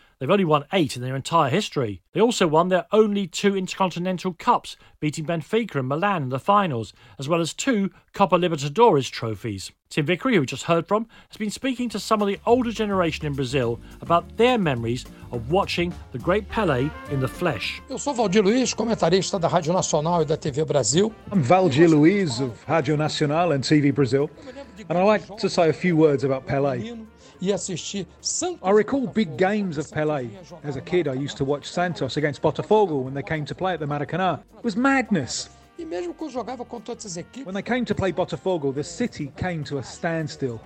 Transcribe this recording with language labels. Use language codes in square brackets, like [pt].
[en] They've only won 8 in their entire history. They also won their only 2 Intercontinental Cups, beating Benfica and Milan in the finals, as well as 2 Copa Libertadores trophies. Tim Vickery, who we just heard from, has been speaking to some of the older generation in Brazil about their memories of watching the great Pelé in the flesh. [pt] Eu sou Valdir Luiz, comentarista da Rádio Nacional e da TV Brasil. [en] I'm Valdir Luiz of Rádio Nacional and TV Brazil, and I'd like to say a few words about Pelé. I recall big games of Pelé. As a kid, I used to watch Santos against Botafogo when they came to play at the Maracanã. It was madness. When they came to play Botafogo, the city came to a standstill.